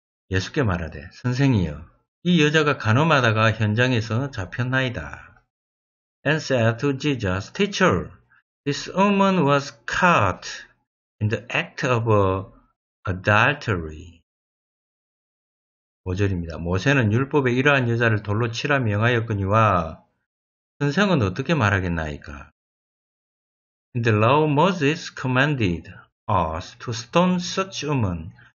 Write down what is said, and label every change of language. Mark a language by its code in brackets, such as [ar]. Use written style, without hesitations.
[ko] 예수께 말하되, 선생이여, 이 여자가 간호하다가 현장에서 잡혔나이다. [en] And said to Jesus, Teacher, this woman was caught in the act of adultery. [ko] 5절입니다. 모세는 율법에 이러한 여자를 돌로 치라 명하였거니와, 선생은 어떻게 말하겠나이까? [en] In the law Moses commanded us to stone such woman.